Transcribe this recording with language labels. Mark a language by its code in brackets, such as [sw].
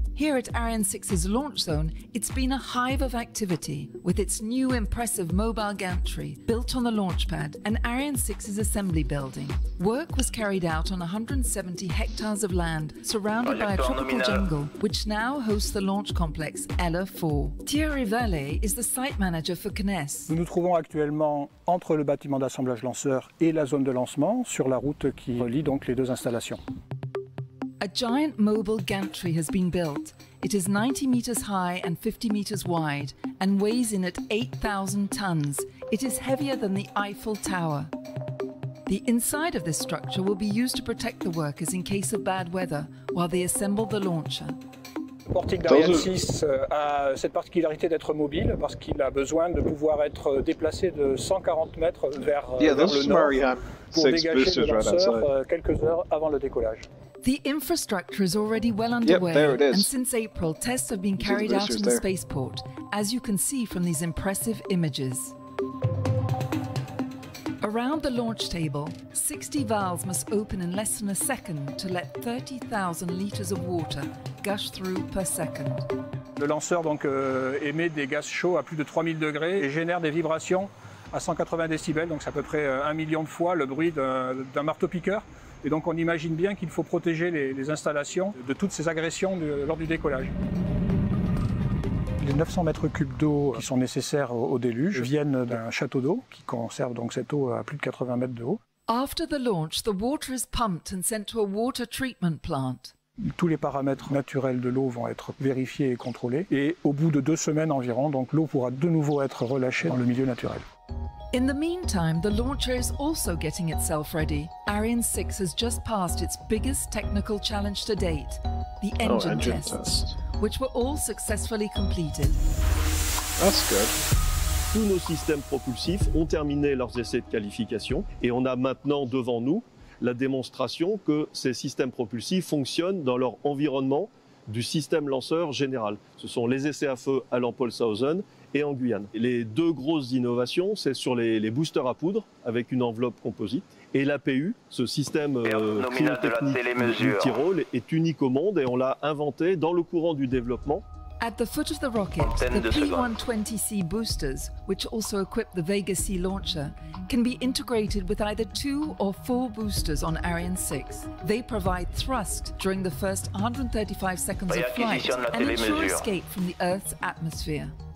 [en] Here at Ariane 6's launch zone, it's been a hive of activity with its new impressive mobile gantry built on the launch pad and Ariane 6's assembly building. Work was carried out on 170 hectares of land surrounded by a tropical jungle, which now hosts the launch complex ELA 4. Thierry Vallée is the site manager for CNES. [fr] Nous nous trouvons actuellement entre le bâtiment d'assemblage lanceur et la zone de lancement sur la route qui relie donc les deux installations. [en] A giant mobile gantry has been built. It is 90 meters high and 50 meters wide and weighs in at 8,000 tons. It is heavier than the Eiffel Tower. The inside of this structure will be used to protect the workers in case of bad weather while they assemble the launcher. [fr] Le portique d'Ariane 6 a cette particularité d'être mobile parce qu'il a besoin de pouvoir être déplacé de 140 mètres vers le nord pour dégager le lanceur quelques heures avant le décollage. [en] The infrastructure is already well underway, yep, there it is. And since April, tests have been carried out in the spaceport, as you can see from these impressive images. Around the launch table, 60 valves must open in less than a second to let 30,000 liters of water gush through per second. [fr] Le lanceur donc émet des gaz chauds à plus de 3000 degrés et génère des vibrations à 180 décibels, donc c'est à peu près 1 million de fois le bruit d'un marteau-piqueur. Et donc on imagine bien qu'il faut protéger les installations de toutes ces agressions lors du décollage. Les 900 mètres cubes d'eau qui sont nécessaires au déluge viennent d'un château d'eau qui conserve donc cette eau à plus de 80 mètres de haut. [en] After the launch, the water is pumped and sent to a water treatment plant. [fr] Tous les paramètres naturels de l'eau vont être vérifiés et contrôlés et au bout de 2 semaines environ, donc l'eau pourra de nouveau être relâchée dans le milieu naturel. [en] In the meantime, the launcher is also getting itself ready. Ariane 6 has just passed its biggest technical challenge to date, the engine tests, which were all successfully completed. That's good. [fr] Tous nos systèmes propulsifs ont terminé leurs essais de qualification et on a maintenant devant nous la démonstration que ces systèmes propulsifs fonctionnent dans leur environnement du système lanceur général. Ce sont les essais à feu à Paulshausen et en Guyane. Les deux grosses innovations, c'est sur les boosters à poudre avec une enveloppe composite et l'APU, ce système cryotechnique multi-rôle, est unique au monde et on l'a inventé dans le courant du développement. [en] At the foot of the rocket, the P120C boosters, which also equip the Vega C launcher, can be integrated with either 2 or 4 boosters on Ariane 6. They provide thrust during the first 135 seconds of flight and ensure escape from the Earth's atmosphere.